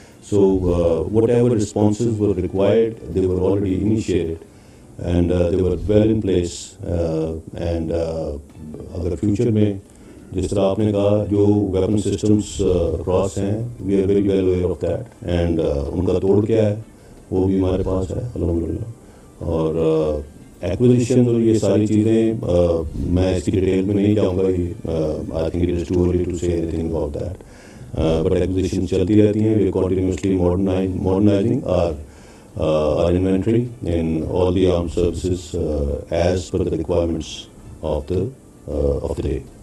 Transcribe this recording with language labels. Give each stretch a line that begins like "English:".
English: So whatever responses were required they were already initiated and they were well in place.
Urdu: And اگر future میں جس طرح آپ نے کہا جو ویپن سسٹمس کراس ہیں,
English: we are very well aware of that,
Urdu: and ان کا توڑ کیا ہے وہ بھی ہمارے پاس ہے الحمدللہ. اور ایکوزیشن اور یہ ساری چیزیں میں اس کی ڈیٹیل میں نہیں جاؤں گا,
English: I think it is too early to say anything about that,
Urdu: but acquisition چلتی رہتی ہیں.
English: We are continuously modernising our inventory in all the arm services as per the requirements of the of the day.